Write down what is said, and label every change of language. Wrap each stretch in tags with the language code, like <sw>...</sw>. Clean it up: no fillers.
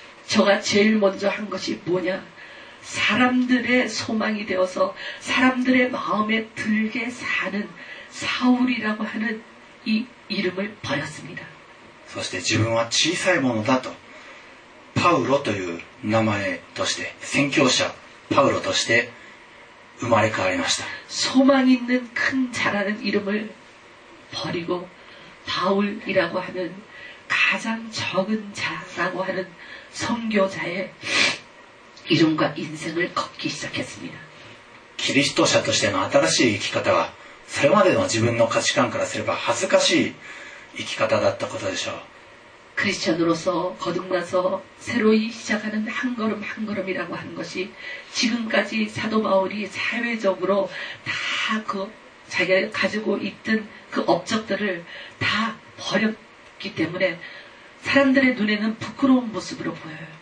<ko>저가제일먼저한것이뭐냐사람들의소망이되어서사람들의마음에들게사는사울이라고하는이이름을버렸습니다</ko> <ja>そして自分は小さいものだとパウロという名前として宣教者パウロとして生まれ変わりました</ja> <ko>소망있는큰자라는이름을버리고바울이라고하는가장적은자라고하는선교자의이름과인생을걷기시작했습니다</ko> <ja>キリスト者としての新しい生き方はそれまでの自分の価値観からすれば恥ずかしい生き方だったことでしょう。</ja> <ko>クリスチャン으로서거듭나서새로이시작하는한걸음한걸음이라고하는것이지금까지사도바울이사회적으로다그자기가가지고있던그업적들을다버렸기때문에사람들의눈에는부끄러운모습으로보여요</ko>